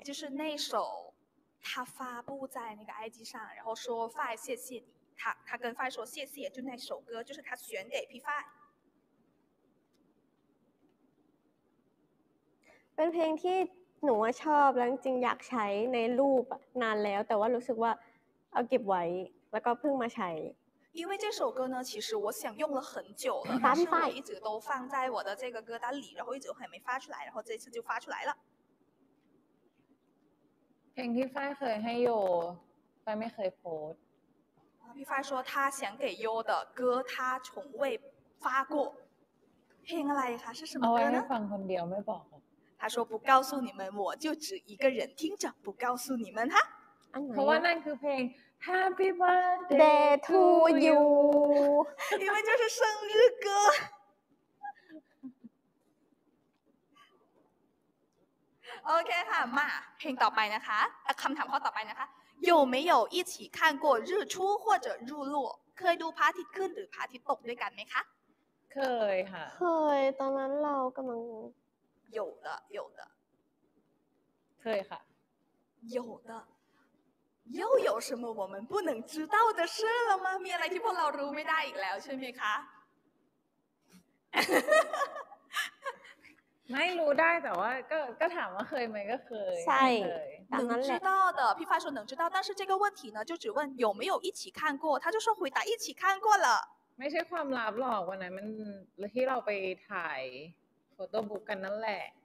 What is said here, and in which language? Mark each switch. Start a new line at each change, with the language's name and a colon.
Chinese: 就是那首他发布在那个 IG 上，然后说 Fi 谢谢你，他跟 Fi 说谢谢，就那首歌，就是他选给 P5。
Thai: เป็นเพลงที่หนูชอบแล้วจริงอยากใช้ในรูปนานแล้วแต่ว่ารู้สึกว่าเอาเก็บไว้แล้วก็เพิ่งมาใช้。
Chinese: 因为这首歌呢，其实我想用了很久了，但是我一直都放在我的这个歌单里，然后一直还没发出来，然后这次就发出来了。
Thai: เพลงพี่ฝ้ายเคยให้โยไฟไม่เคยโพส
Chinese: พี่ฝ้าย说他想给โย的歌他从未发过
Thai: เพลงอะไรคะ
Chinese: 是什么歌呢
Thai: เอาไว้ให้ฟังคนเดียวไม่บอก
Chinese: 他说不告诉你们我就只一个人听着不告诉你们哈
Thai: เพราะว่านั่นคือเพลง Happy Birthday to you
Chinese: 因为就是生日歌
Thai: โอเคค่ะมาเพลงต่อไปนะคะคำถามข้อต่อไปนะคะ
Chinese: 有没有一起看过日出或者日落
Thai: เคยดูพระอาทิตย์ขึ้นหรือพระอาทิตย์ตกด้วยกันไหมคะ เคยค่ะ เคยตอนนั้นเรากำลัง
Chinese: 有的有的
Thai: เคยค่ะ
Chinese: 有的又有什么我们不能知道的事了吗
Thai: มีอะไรที่พวกเรารู้ไม่ได้อีกแล้วใช่ไหมคะ ไม่รู้ได้แต่ว่าก็ถามว่าเคยไหมก็เคย ใช่
Chinese: เคย知道的พี่ฟ้า说能知道但是这个问题呢就只问有没有一起看过他就说回答一起看过了
Thai: ไม่ใช่ความลับหรอกวันนั้นมันที่เราไปถ่ายโฟโต้บุ๊กกันนั่นแหละ